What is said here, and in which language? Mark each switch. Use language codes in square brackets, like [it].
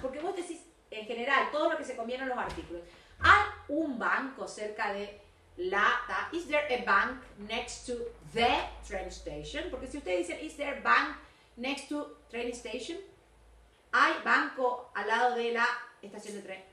[es] Porque vos decís, en general, todo lo que se conviene en los artículos. ¿Hay un banco cerca de la... [en] Is there a bank next to the train station? [es] Porque si ustedes dicen, [en] is there a bank next to train station? [es] ¿Hay banco al lado de la estación de tren?